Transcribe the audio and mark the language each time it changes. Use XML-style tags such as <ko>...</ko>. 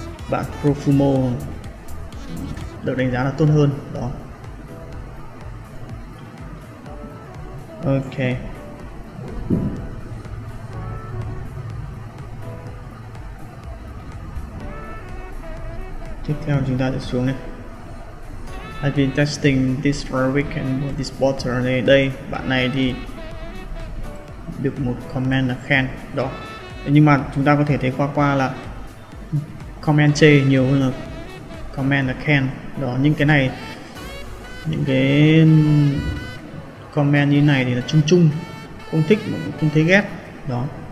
<vi>Bạn Profumo được đánh giá là tốt hơn đó. Ok. Tiếp theo chúng ta sẽ xuống này.</vi> <en>I've been testing this for a week and with this bottle.</en> <vi>Đây, bạn này thì được một comment là khen đó. Nhưng mà chúng ta có thể thấy qua là comment chê nhiều hơn là comment là khen đó. Những cái này, những cái comment như này thì là chung chung, không thích mà cũng không thấy ghét đó.</vi>